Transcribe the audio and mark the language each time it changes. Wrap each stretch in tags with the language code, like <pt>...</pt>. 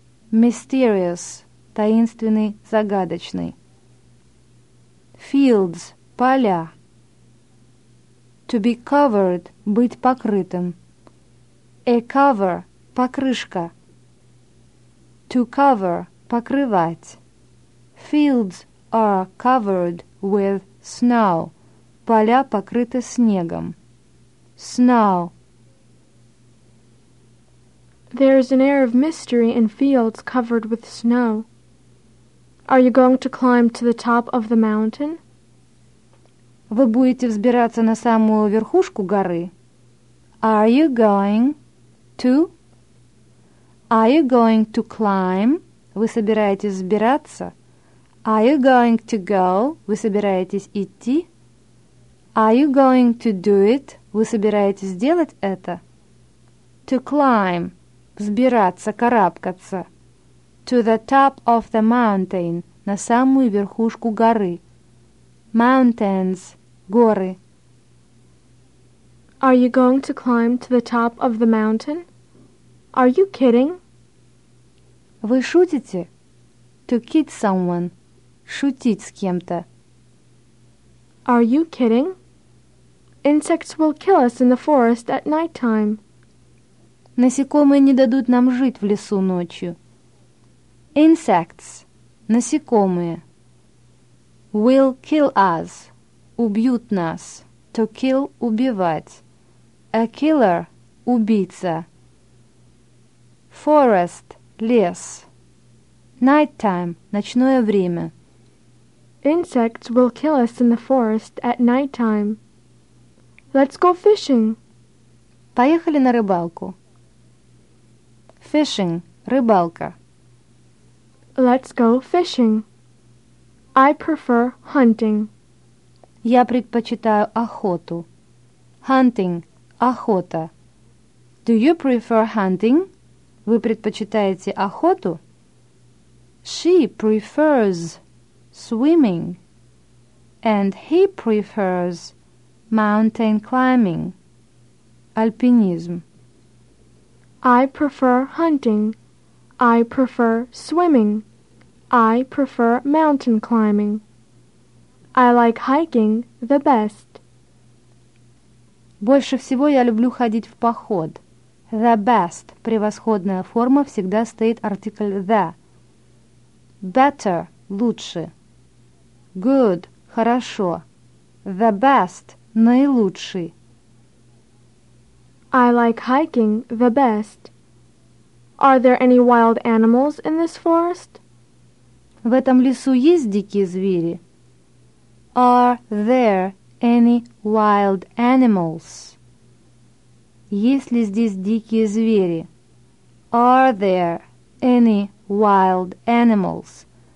<ru>Mysterious – таинственный, загадочный.</ru> <en>Fields – поля. To be covered –</en> <ru>быть покрытым.</ru> <en>A cover – покрышка. to cover, покрывать. Fields are covered with snow.</en> <ru>Поля покрыты снегом.</ru> <en>Snow. There is an air of mystery in fields covered with snow. Are you going to climb to the top of the mountain?</en> <ru>Вы будете взбираться на самую верхушку горы?</ru> <en>Are you going to? Are you going to climb?</en> <ru>Вы собираетесь взбираться?</ru> <en>Are you going to go?</en> <ru>Вы собираетесь идти?</ru> <en>Are you going to do it?</en> <ru>Вы собираетесь сделать это?</ru> <en>To climb.</en> <ru>Взбираться, карабкаться.</ru> <en>To the top of the mountain.</en> <ru>На самую верхушку горы.</ru> <en>Mountains.</en> <ru>Горы.</ru> <en>Are you going to climb to the top of the mountain? Are you kidding?</en> <ru>Вы шутите?</ru> <en>To kid someone.</en> <ru>Шутить с кем-то.</ru> <en>Are you kidding? Insects will kill us in the forest at night time.</en> <ru>Насекомые не дадут нам жить в лесу ночью.</ru> <en>Insects.</en> <ru>Насекомые.</ru> <en>Will kill us.</en> <ru>Убьют нас.</ru> <en>To kill – убивать. A killer – убийца. Forest – лес. Night time –</en> <ru>ночное время.</ru> <en>Insects will kill us in the forest at night time. Let's go fishing.</en> <ru>Поехали на рыбалку.</ru> <en>Fishing</en> <ru>– рыбалка.</ru> <en>Let's go fishing. I prefer hunting.</en> <ru>Я предпочитаю охоту.</ru> <en>Hunting – охота. Do you prefer hunting?</en> <ru>Вы предпочитаете охоту?</ru> <en>She prefers swimming. And he prefers mountain climbing.</en> <ru>Альпинизм.</ru> <en>I prefer hunting. I prefer swimming. I prefer mountain climbing. I like hiking the best.</en> <ru>Больше всего я люблю ходить в поход.</ru> <en>The best.</en> <ru>Превосходная форма всегда стоит артикль the.</ru> <en>Better.</en> <ru>Лучше.</ru> <en>Good.</en> <ru>Хорошо.</ru> <en>The best.</en> <ru>Наилучший.</ru> <en>I like hiking the best. Are there any wild animals in this forest?</en> <ru>В этом лесу есть дикие звери?</ru> <en>Are there any wild animals?</en> <ru>Есть ли здесь дикие звери?</ru> <en>Are there any wild animals?</en>